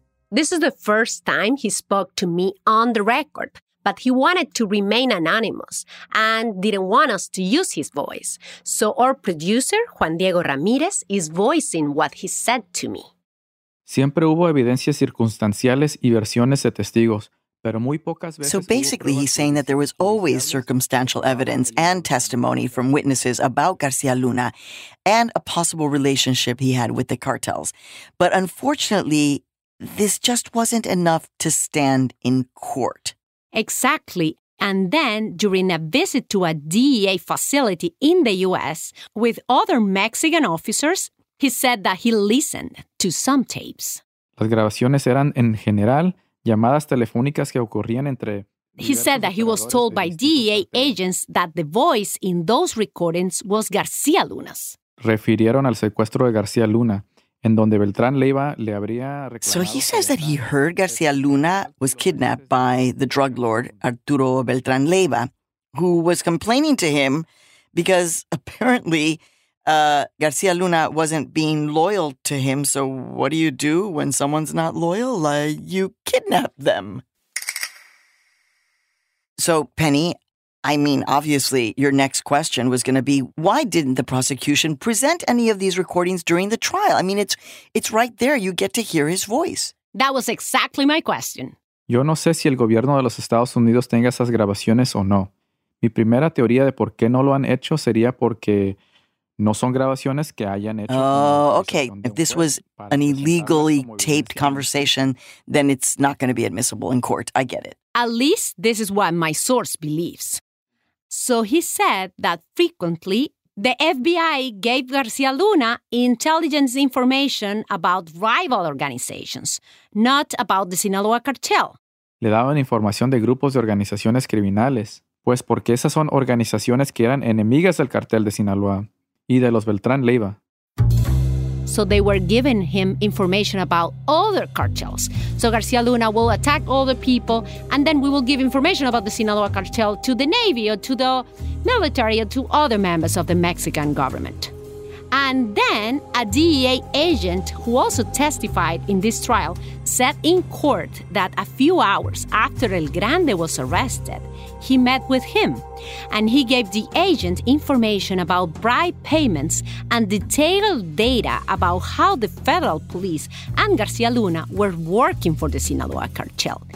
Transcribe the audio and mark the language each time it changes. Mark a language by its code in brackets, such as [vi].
[en] This is the first time he spoke to me on the record, but he wanted to remain anonymous and didn't want us to use his voice. So our producer, Juan Diego Ramírez, is voicing what he said to me. [es] Siempre hubo evidencias circunstanciales y versiones de testigos, pero muy pocas veces. [en] So basically, he's saying that there was always circumstantial evidence and testimony from witnesses about Garcia Luna and a possible relationship he had with the cartels. But unfortunately, this just wasn't enough to stand in court. Exactly. And then, during a visit to a DEA facility in the U.S. with other Mexican officers, he said that he listened to some tapes. [es] Las grabaciones eran, en general, llamadas telefónicas que ocurrían entre... [en] He said that he was told by DEA agents that the voice in those recordings was Garcia Luna's. [es] Refirieron al secuestro de Garcia Luna. En donde Beltrán Leyva le habría reclamado. [en] So he says that he heard Garcia Luna was kidnapped by the drug lord Arturo Beltrán Leyva, who was complaining to him because apparently Garcia Luna wasn't being loyal to him. So what do you do when someone's not loyal? You kidnap them. So, Penny, I mean, obviously, your next question was going to be, why didn't the prosecution present any of these recordings during the trial? I mean, it's right there. You get to hear his voice. That was exactly my question. [es] Yo no sé si el gobierno de los Estados Unidos tenga esas grabaciones o no. Mi primera teoría de por qué no lo han hecho sería porque no son grabaciones que hayan hecho. [en] Okay. If this was an illegally taped conversation, then it's not going to be admissible in court. I get it. At least this is what my source believes. So he said that frequently the FBI gave Garcia Luna intelligence information about rival organizations, not about the Sinaloa cartel. [es] Le daban información de grupos de organizaciones criminales, pues porque esas son organizaciones que eran enemigas del cartel de Sinaloa y de los Beltrán Leyva. [en] So they were giving him information about other cartels. So Garcia Luna will attack all the people, and then we will give information about the Sinaloa cartel to the Navy or to the military or to other members of the Mexican government. And then a DEA agent who also testified in this trial said in court that a few hours after El Grande was arrested, he met with him, and he gave the agent information about bribe payments and detailed data about how the federal police and Garcia Luna were working for the Sinaloa cartel.